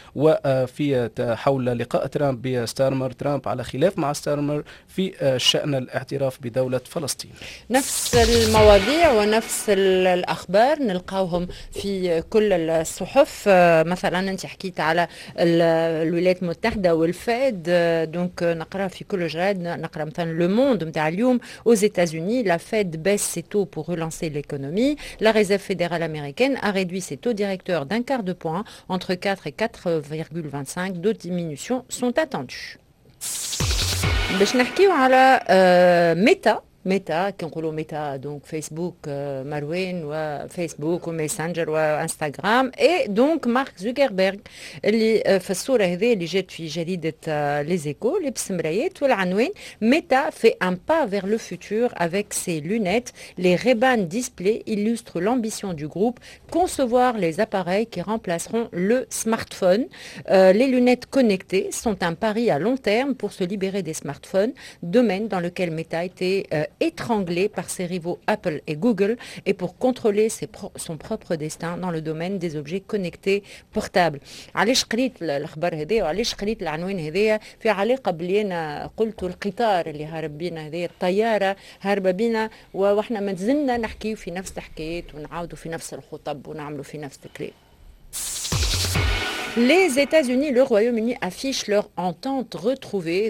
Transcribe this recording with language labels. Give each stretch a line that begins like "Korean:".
Arabic: وفي حول لقاء ترامب بستارمر، ترامب على خلاف مع ستارمر في شأن الاعتراف دولة فلسطين. نفس المواضيع ونفس الأخبار نلقاهم في كل الصحف. مثلا أنت حكيت على الولايات المتحدة والفيد، دونك نقرأ في كل جرائد، نقرأ مثلا لو موند متاع اليوم.
French: aux États-Unis la Fed baisse ses taux pour relancer l'économie. La réserve fédérale américaine a réduit ses taux directeurs d'un quart de point entre 4 et 4,25. D'autres diminutions sont attendues.
Arabic: باش نحكيو على ميتا كي نقولوا ميتا، دونك فيسبوك مروين وفيسبوك وميسنجر وانستغرام، اي دونك مارك زوكربيرغ اللي في الصوره هذه اللي جات في جريده ليزيكو لبس مرايات والعنوان ميتا
French: في ان با فير لو فوتور افيك سي لونيت لي ريبان ديسبلي illustre l'ambition du groupe concevoir les appareils qui remplaceront le smartphone. Les lunettes connectées sont un pari à long terme pour se libérer des smartphones, domaine dans lequel Meta était étranglé par ses rivaux Apple et Google, et pour contrôler son propre destin dans le domaine des objets connectés portables.
Arabic: علاش قريت الخبر هذايا وعلاش قريت العنوان هذايا؟ في علاقه بلي انا قلت القطار اللي هرب بينا، هذه الطياره هرب بينا، واحنا ما زلنا نحكيو في نفس الحكايات ونعاودوا في نفس الخطب ونعملوا في نفس الكلام.
French: Les États-Unis, le Royaume-Uni affichent leur entente retrouvée.